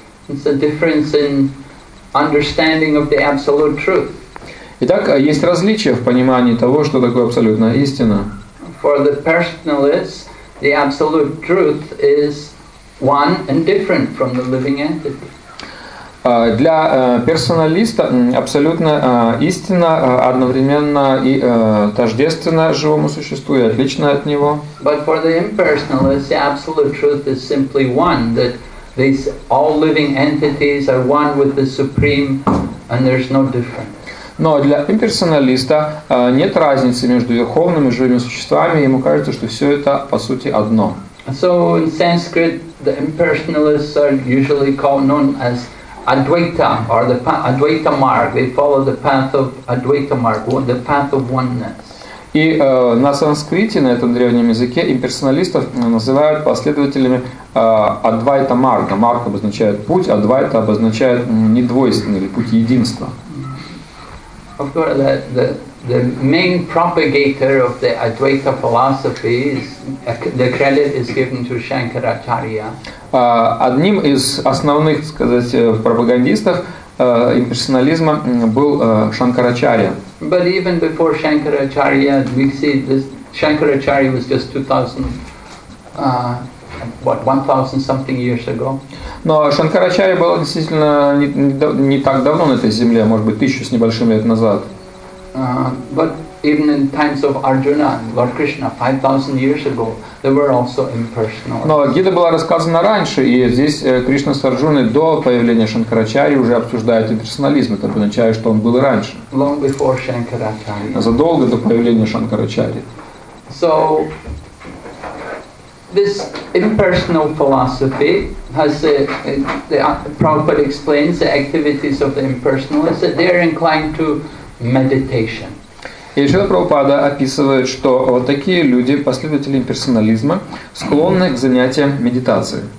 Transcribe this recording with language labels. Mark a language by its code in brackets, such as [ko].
[en] It's a difference in understanding of the absolute truth. [ru] Итак, есть различия в понимании того, что такое абсолютная истина. [en] For the personalists, the absolute truth is one and different from the living entity. [ru] Для персоналиста абсолютно истина одновременно и тождественна живому существу и отлична от него. [en] But for the impersonalist, the absolute truth is simply one, that these all living entities are one with the supreme, and there's no difference. [ru] Но для имперсоналиста нет разницы между верховным и живыми существами, ему кажется, что все это по сути одно. [en] So in Sanskrit, the impersonalists are usually called known as Advaita, or the Advaita Mark. They follow the path of Advaita Mark, the path of oneness. [ru] И на санскрите, на этом древнем языке, имперсоналистов называют последователями Адвайта Марга. Марг обозначает путь, Адвайта обозначает недвойственный или путь единства. [en] Of course, the main propagator of the Advaita philosophy is the credit is given to Shankaracharya. [ru] Одним из основных, так сказать, пропагандистов имперсонализма был Шанкарачарья. [en] But even before Shankaracharya, we see this Shankaracharya was just 1000 something years ago. [ru] Но Шанкарачарья был действительно не так давно на этой земле, может быть, 1000 с небольшим лет назад. [en] But even in times of Arjuna, Lord Krishna, 5000 years ago, there were also impersonal. [ru] Но Гита была рассказана раньше, и здесь Кришна с Арджуной до появления Шанкарачарьи уже обсуждают имперсонализм. Это означает, что он был и раньше. [en] Long before Shankaracharya. [ru] Задолго до появления Шанкарачарьи. [en] So this impersonal philosophy has Prabhupada explains the activities of the impersonalists that they are inclined to meditation. [ru] И Шрила Прабхупада описывает, что вот такие люди, последователи имперсонализма, склонны к занятиям медитацией.